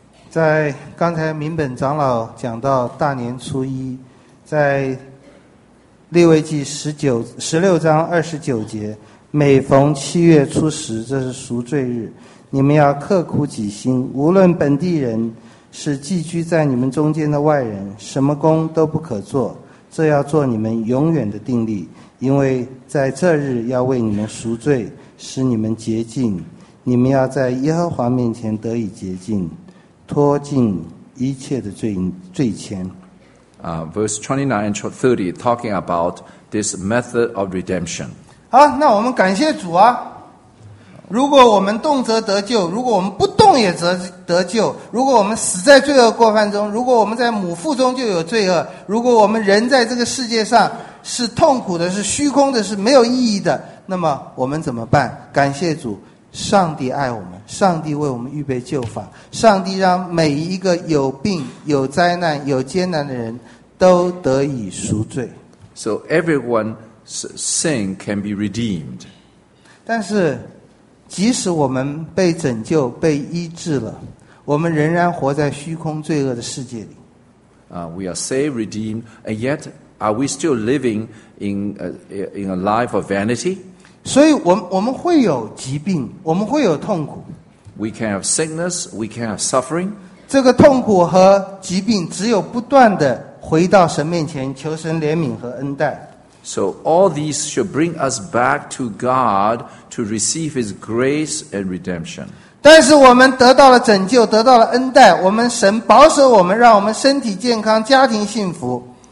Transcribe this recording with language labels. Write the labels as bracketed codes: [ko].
[zh] 在刚才明本长老讲到大年初一，在利未记16:29，每逢七月初十，这是赎罪日，你们要刻苦己心，无论本地人是寄居在你们中间的外人，什么工都不可做。这要做你们永远的定力，因为在这日要为你们赎罪，使你们洁净。你们要在耶和华面前得以洁净，脱尽一切的罪愆。 [en] Verse 29 and 30 talking about this method of redemption. [zh] 好，那我们感谢主啊！如果我们动则得救，如果我们不动也得救，如果我们死在罪恶过犯中，如果我们在母腹中就有罪恶，如果我们人在这个世界上是痛苦的，是虚空的，是没有意义的，那么我们怎么办？感谢主，上帝爱我们，上帝为我们预备救法，上帝让每一个有病、有灾难、有艰难的人都得以赎罪。 [en] So everyone's sin can be redeemed. [zh] 但是即使我们被拯救、被医治了，我们仍然活在虚空罪恶的世界里。 [en] We are saved, redeemed, and yet are we still living in a life of vanity? [zh] 所以我们会有疾病，我们会有痛苦。 [en] We can have sickness, we can have suffering. [zh] 这个痛苦和疾病只有不断地回到神面前，求神怜悯和恩待。 [en] So all these should bring us back to God to receive His grace and redemption. [zh] 但是我们得到了拯救，得到了恩待，我们神保守我们，让我们身体健康，家庭幸福。